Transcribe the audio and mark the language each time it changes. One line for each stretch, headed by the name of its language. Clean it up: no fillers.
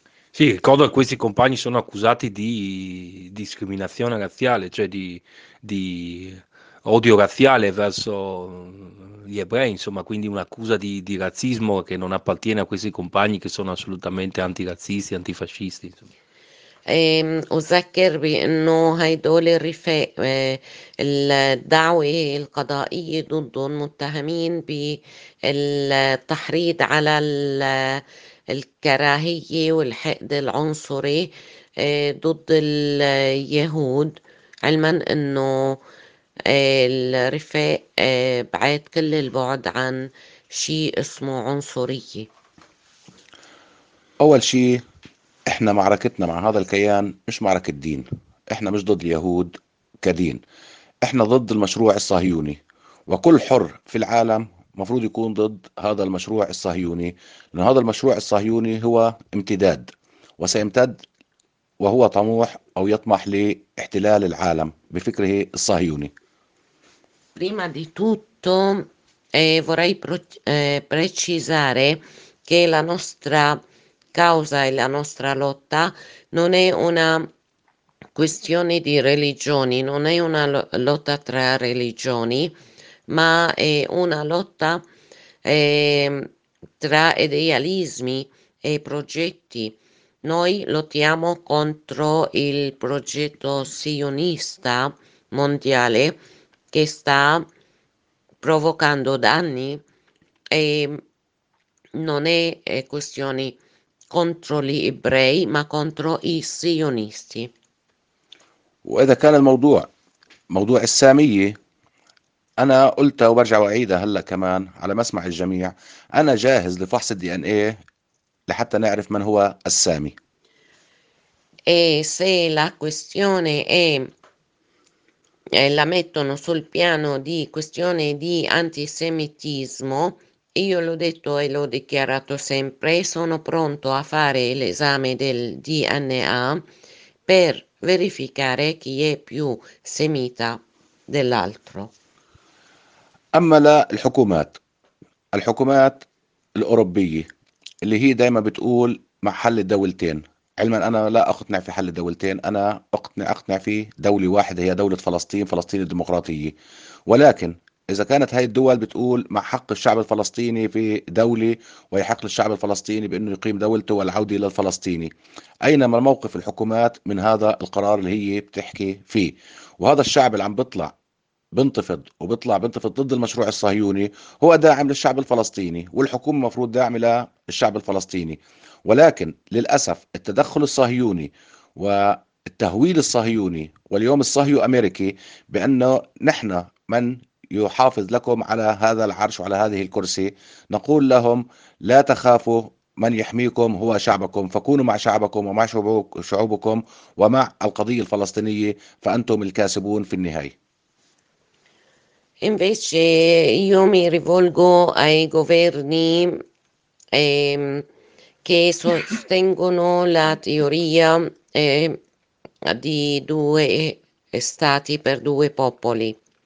Italian: Sì, ricordo che questi compagni sono accusati di discriminazione razziale, cioè di odio razziale verso gli ebrei, insomma, quindi un'accusa di razzismo che non appartiene a questi compagni che sono assolutamente antirazzisti, antifascisti, insomma.
Arabic: أذكر بأنه هيدول الرفاق الدعوة القضائية ضدهم متهمين بالتحريض على الكراهية والحقد العنصري ضد اليهود، علما أنه الرفاق بعاد كل البعد عن شيء اسمه عنصرية. أول شيء احنا معركتنا مع هذا الكيان مش معركة دين، احنا مش ضد اليهود كدين، احنا ضد المشروع الصهيوني، وكل حر في العالم مفروض يكون ضد هذا المشروع الصهيوني، لأن هذا المشروع الصهيوني هو امتداد وسيمتد، وهو طموح أو يطمح لاحتلال العالم بفكره الصهيوني.
Italian: Prima di tutto, vorrei precisare che la nostra causa e la nostra lotta non è una questione di religioni, non è una lotta tra religioni, ma è una lotta tra idealismi e progetti. Noi lottiamo contro il progetto sionista mondiale che sta provocando danni e non è questione contro gli ebrei, ma contro i sionisti.
Arabic: وإذا كان الموضوع موضوع السامية، أنا قلت وبرجع وأعيدها هلأ كمان على مسمع الجميع، أنا جاهز لفحص الدي إن إيه لحتى نعرف من هو السامي.
Italian: E se la questione è la mettono sul piano di questione di antisemitismo, io l'ho detto e l'ho dichiarato sempre, sono pronto a fare l'esame del DNA per verificare chi è più semita dell'altro.
Arabic: أما لا الحكومات، الحكومات الأوروبية اللي هي دائما بتقول مع حل الدولتين، علما أنا لا أقتنع في حل الدولتين، أنا أقتنع في دولة واحدة هي دولة فلسطين، فلسطين الديمقراطية. ولكن إذا كانت هاي الدول بتقول مع حق الشعب الفلسطيني في دولة ويحق للشعب الفلسطيني بأنه يقيم دولته والعودة إلى الفلسطيني، أينما موقف الحكومات من هذا القرار اللي هي بتحكي فيه؟ وهذا الشعب اللي عم بيطلع بنتفض وبيطلع بنتفض ضد المشروع الصهيوني هو داعم للشعب الفلسطيني، والحكومة المفروض داعمة للشعب الفلسطيني، ولكن للأسف التدخل الصهيوني والتهويل الصهيوني واليوم الصهيو أمريكي بأنه نحن من يحافظ لكم على هذا العرش وعلى هذه الكرسي، نقول لهم لا تخافوا، من يحميكم هو شعبكم، فكونوا مع شعبكم ومع شعوبكم ومع القضية الفلسطينية، فأنتم الكاسبون في النهاية.
Italian: Invece io mi rivolgo ai governi che sostengono la teoria di due stati per due popoli.